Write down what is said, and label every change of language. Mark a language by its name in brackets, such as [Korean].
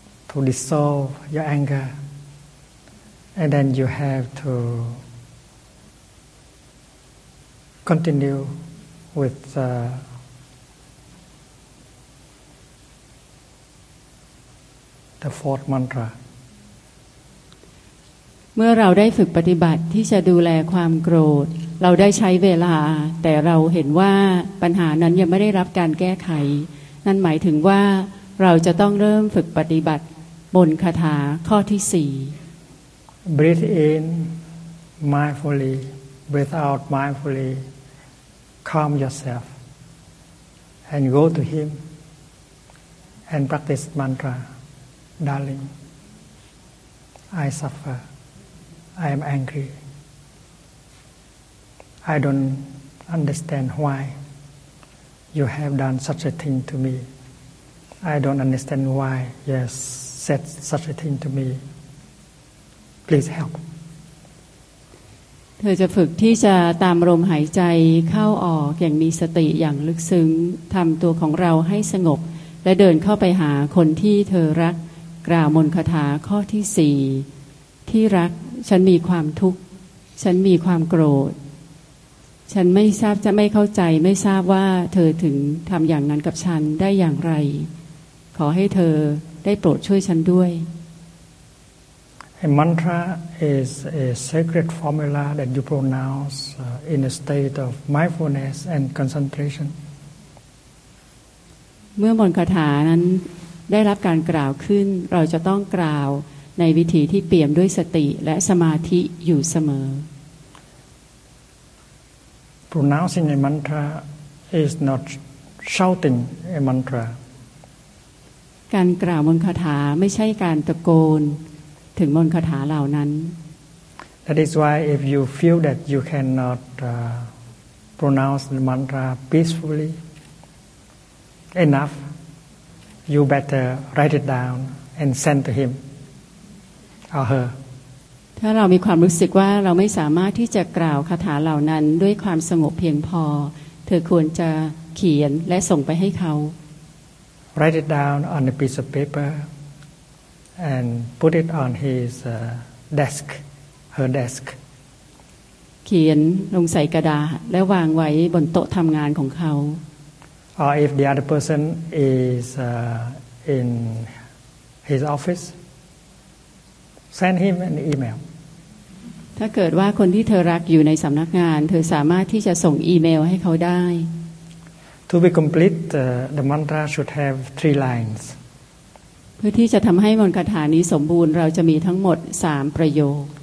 [English] to dissolve your anger, and then you have to continue with the fourth mantra. [Thai] เมื่อเราได้ฝึกปฏิบัติที่จะดูแลความโกรธเราได้ใช้เวลาแต่เราเห็นว่าปัญหานั้นยังไม่ได้รับการแก้ไขนั่นหมายถึงว่าเราจะต้องเริ่มฝึกปฏิบัติบนคาถาข้อที่4 [English] Breathe in mindfully breathe out mindfully calm yourself and go to him and practice mantra darling I suffer I am angry I don't understand whyYou have done such a thing to me. I don't understand why you said such a thing to me. Please help. [Thai] เธอจะฝึกที่จะตามลมหายใจเข้าออกอย่างมีสติอย่างลึกซึ้งทำตัวของเราให้สงบและเดินเข้าไปหาคนที่เธอรักกล่าวมนต์คาถาข้อที่4ที่รักฉันมีความทุกข์ฉันมีความโกรธฉันไม่ทราบจะไม่เข้าใจไม่ทราบว่าเธอถึงทำอย่างนั้นกับฉันได้อย่างไรขอให้เธอได้โปรดช่วยฉันด้วย [English] A mantra is a sacred formula that you pronounce in a state of mindfulness and concentration [Thai] เมื่อมนต์คาถานั้นได้รับการกล่าวขึ้นเราจะต้องกล่าวในวิธีที่เปี่ยมด้วยสติและสมาธิอยู่เสมอ [English] Pronouncing a mantra is not shouting a mantra. [Thai] การกล่าวมนต์คาถาไม่ใช่การตะโกนถึงมนต์คาถาเหล่านั้น [English] That is why if you feel that you cannot pronounce the mantra peacefully enough, you better write it down and send to him or her. [Thai] ถ้าเรามีความรู้สึกว่าเราไม่สามารถที่จะกล่าวคาถาเหล่านั้นด้วยความสงบเพียงพอเธอควรจะเขียนและส่งไปให้เขา [English] Write it down on a piece of paper and put it on his desk, her desk. [Thai] เขียนลงใส่กระดาษและวางไว้บนโต๊ะทำงานของเขา [English] Or if the other person is in his office, send him an email. [Thai] ถ้าเกิดว่าคนที่เธอรักอยู่ในสำนักงานเธอสามารถที่จะส่งอีเมลให้เขาได้ [English] To be complete the mantra should have 3 lines [Thai] เพื่อที่จะทำให้มนต์คาถานี้สมบูรณ์เราจะมีทั้งหมด3ประโยค